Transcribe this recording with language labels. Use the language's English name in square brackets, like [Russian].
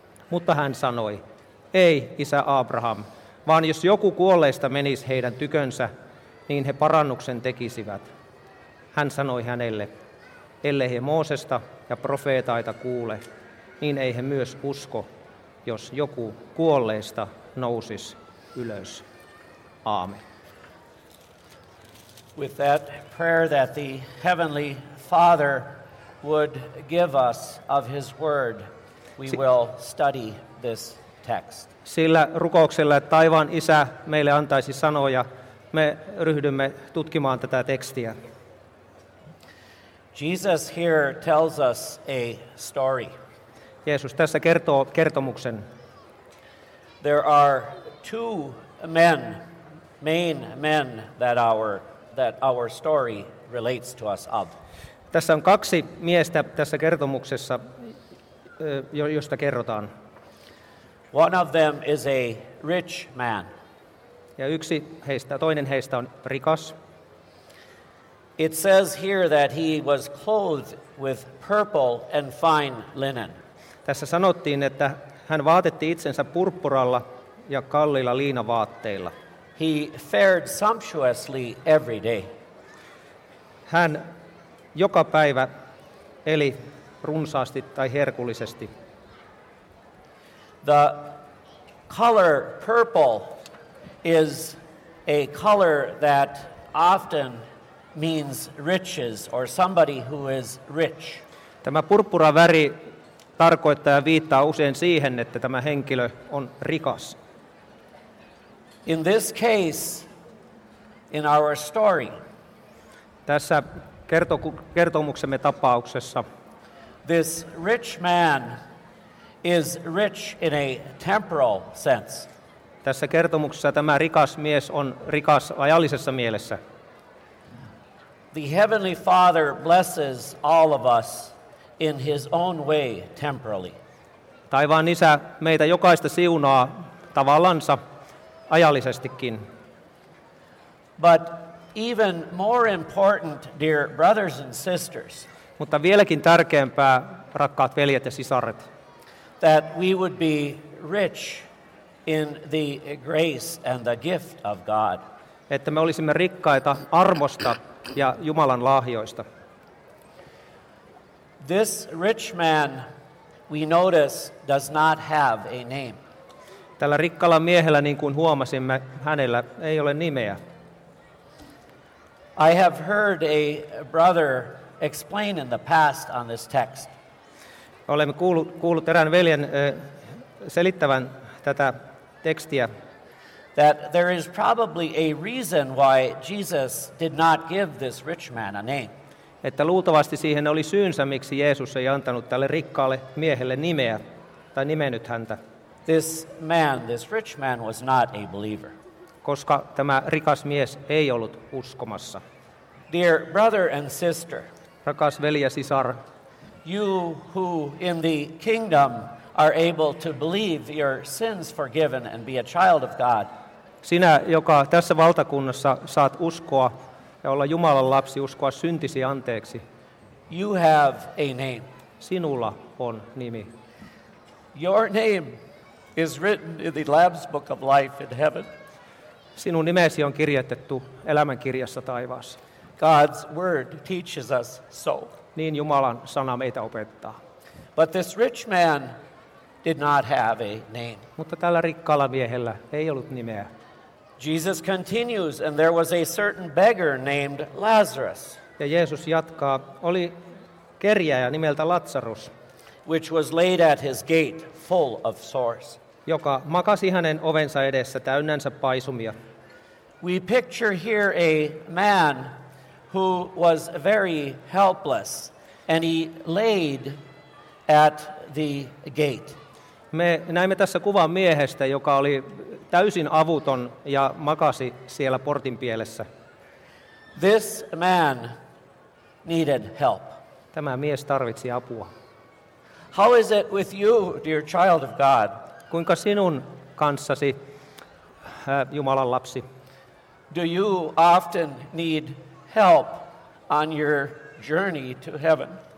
[Finnish] Mutta hän sanoi, ei isä Abraham, vaan jos joku kuolleista menisi heidän tykönsä, niin he parannuksen tekisivät. Hän sanoi hänelle, ellei he Moosesta ja profeetaita kuule, niin ei he myös usko, jos joku kuolleista nousisi ylös. Aamen. [English] With that prayer that the Heavenly Father would give us of his word, we will study this text. [Finnish] Sillä rukouksella, että taivaan isä meille antaisi sanoja, me ryhdymme tutkimaan tätä tekstiä. [English] Jesus here tells us a story. [Finnish] Jeesus tässä kertoo kertomuksen. [English] There are 2 men, main men that our story relates to us of. [Finnish] Tässä on 2 miestä tässä kertomuksessa, josta kerrotaan. [English] One of them is a rich man. [Finnish] Ja yksi heistä, toinen heistä on rikas. [English] It says here that he was clothed with purple and fine linen. [Finnish] Tässä sanottiin, että hän vaatetti itsensä purppuralla ja kalliilla liinavaatteilla. [English] He fared sumptuously every day. [Finnish] Hän joka päivä eli runsaasti tai herkullisesti. [English] The color purple is a color that often means riches or somebody who is rich. [Finnish] Tämä purppura väri tarkoittaa ja viittaa usein siihen, että tämä henkilö on rikas. [English] In this case, in our story, [Finnish] tässä kertomuksemme tapauksessa, [English] this rich man is rich in a temporal sense. [Finnish] Tässä kertomuksessa tämä rikas mies on rikas ajallisessa mielessä. [English] The Heavenly Father blesses all of us in his own way temporally. [Finnish] Taivaan isä meitä jokaista siunaa tavallansa. Ajallisestikin. [English] But even more important, dear brothers and sisters, [Finnish] mutta vieläkin tärkeämpää, rakkaat veljet ja sisaret, [English] that we would be rich in the grace and the gift of God, [Finnish] että me olisimme rikkaita armosta ja Jumalan lahjoista. [English] This rich man, we notice, does not have a name. [Finnish] Tällä rikkalla miehellä, niin kuin huomasimme, hänellä ei ole nimeä. [English] I have heard a brother explain in the past on this text. [Finnish] Olemme kuullut erään veljen selittävän tätä tekstiä. [English] That there is probably a reason why Jesus did not give this rich man a name. [Finnish] Että luultavasti siihen oli syynsä, miksi Jeesus ei antanut tälle rikkaalle miehelle nimeä tai nimennyt häntä. [English] This man, this rich man, was not a believer. [Finnish] Koska tämä rikas mies ei ollut uskomassa. [English] Dear brother and sister, [Finnish] rakas veli ja sisar, [English] you who in the kingdom are able to believe your sins forgiven and be a child of God. [Finnish] Sinä, joka tässä valtakunnassa saat uskoa ja olla Jumalan lapsi, uskoa syntisi anteeksi. [English] You have a name. [Finnish] Sinulla on nimi. [English] Your name is written in the Lamb's book of life in heaven. [Finnish] Sinun nimesi on kirjoitettu elämänkirjassa taivaassa. [English] God's word teaches us so. [Finnish] niin Jumalan sana meitä opettaa. [English] But this rich man did not have a name. [Finnish] Mutta tällä rikkaalla miehellä ei ollut nimeä. [English] Jesus continues, and there was a certain beggar named Lazarus. [Finnish] Ja Jeesus jatkaa, oli kerjääjä nimeltä Lazarus, [English] which was laid at his gate full of sores. [Finnish] Joka makasi hänen ovensa edessä täynnänsä paisumia. [English] We picture here a man who was very helpless, and he laid at the gate. [Finnish] Me näimme tässä kuvan miehestä, joka oli täysin avuton ja makasi siellä portin pielessä. [English] This man needed help. [Finnish] Tämä mies tarvitsi apua. [English] How is it with you, dear child of God? [Finnish] Kuinka sinun kanssasi, Jumalan lapsi? [English] Do you often need help on your journey to heaven?